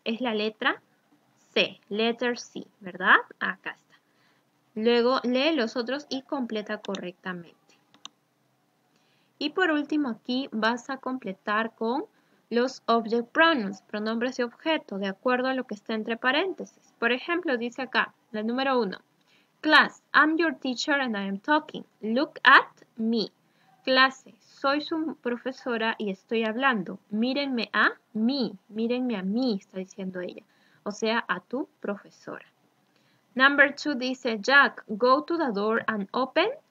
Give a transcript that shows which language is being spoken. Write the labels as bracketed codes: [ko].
[es] Es la letra C, letter C, ¿verdad? Acá está. Luego lee los otros y completa correctamente. Y por último aquí vas a completar con los object pronouns, pronombres y objeto, de acuerdo a lo que está entre paréntesis. Por ejemplo, dice acá, la número 1. [en] Class, I'm your teacher and I am talking. Look at me. [es] Clase, soy su profesora y estoy hablando. Mírenme a mí, mírenme a mí, está diciendo ella. O sea, a tu profesora. [en] Number 2 dice, Jack, go to the door and open.